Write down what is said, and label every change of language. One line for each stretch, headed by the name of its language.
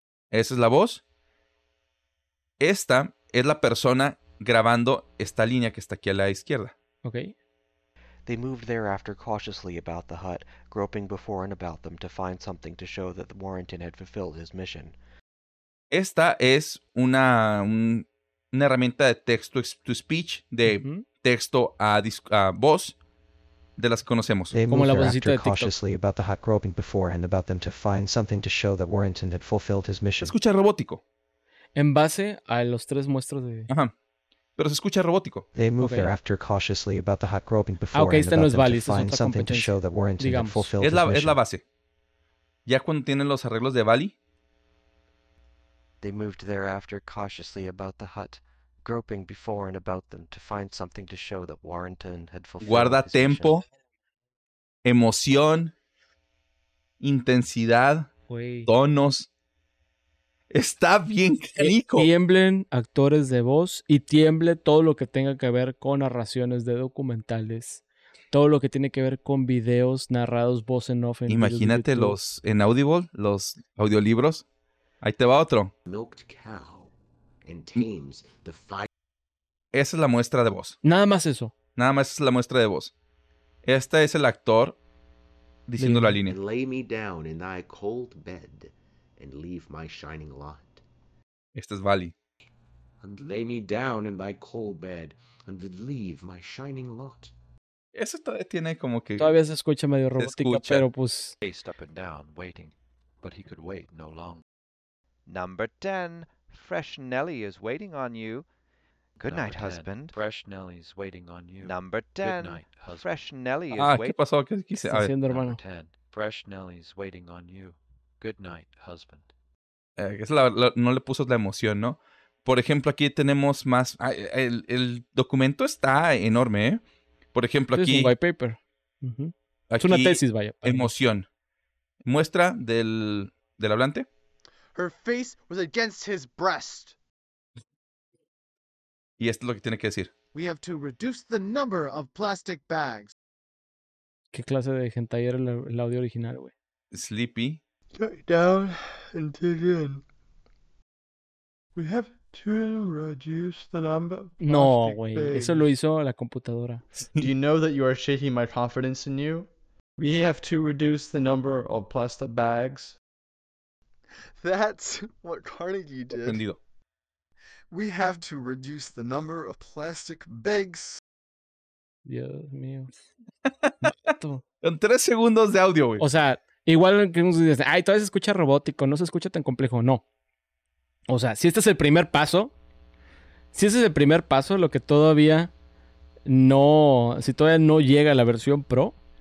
Spanish: Esa es la voz. Esta es la persona grabando esta línea que está aquí a la izquierda. Ok.
English: They moved thereafter cautiously about the hut, groping before and about them to find something to show that Warrington had fulfilled his mission.
Spanish: Esta es una herramienta de
English: text to speech,
Spanish: de texto a voz, de las que conocemos.
English: They moved thereafter cautiously about the hut, groping before and about them to find something to show that Warrington had fulfilled his mission.
Spanish: Escucha robótico. en base a los tres muestros de... Ajá. Pero se escucha robótico.
English: They move okay. thereafter cautiously about the hot groping before ah, okay, and about them to find to show that weren't fulfilled.
Spanish: Es la base. Ya cuando tienen los arreglos de Bali.
English: They moved thereafter cautiously about the hut, groping before and about them to find something to show that Warrington had fulfilled.
Spanish: Guarda tempo, emoción, intensidad, wey. Tonos. Está bien rico. Tiemblen actores de voz y tiemble todo lo que tenga que ver con narraciones de documentales. Todo lo que tiene que ver con videos narrados voz en off. En imagínate los en Audible, los audiolibros. Ahí te va otro.
English: Milked cow and tames the fire.
Spanish: Esa es la muestra de voz. Nada más eso. Nada más es la muestra de voz. Este es el actor diciendo la línea.
English: Lay me down in thy cold bed and leave my shining light.
Spanish: Este es Bali.
English: And lay me down in thy cold bed and leave my shining light.
Spanish: Eso todavía tiene como que... Todavía se escucha medio robótica, escucha. Pero pues...
English: Paced up and down, waiting. But he could wait no longer. Number 10. Fresh Nelly is waiting on you. Good night, husband. Fresh Nelly is waiting on you. Number 10. Fresh Nelly is waiting...
Spanish: Ah, ¿qué pasó? ¿Qué quise? Está haciendo, hermano.
English: Number 10. Fresh Nelly is waiting on you. Good night, husband.
Spanish: Es la, no le puso la emoción, ¿no? Por ejemplo, aquí tenemos más... el documento está enorme, ¿eh? Por ejemplo, aquí... Es un white paper. Uh-huh. Aquí, es una tesis, vaya. Emoción. Muestra del, del hablante.
English: Her face was against his breast.
Spanish: Y esto es lo que tiene que decir.
English: We have to reduce the number of plastic bags.
Spanish: ¿Qué clase de hentai era el audio original, güey?
English: Sleepy. Lay down and dig in. We have... To reduce the number of plastic
Spanish: no, güey. Eso lo hizo la computadora.
English: Do you know that you are shaking my confidence in you? We have to reduce the number of plastic bags. That's what Carnegie did.
Spanish: Entendido. We have to reduce the number of plastic bags. Dios mío. En 3 segundos de audio, güey. O sea, igual que nos dices, ay, todavía se escucha robótico, no se escucha tan complejo. No. O sea, si este es el primer paso, si este es el primer paso, lo que todavía no, si todavía no llega a la versión Pro.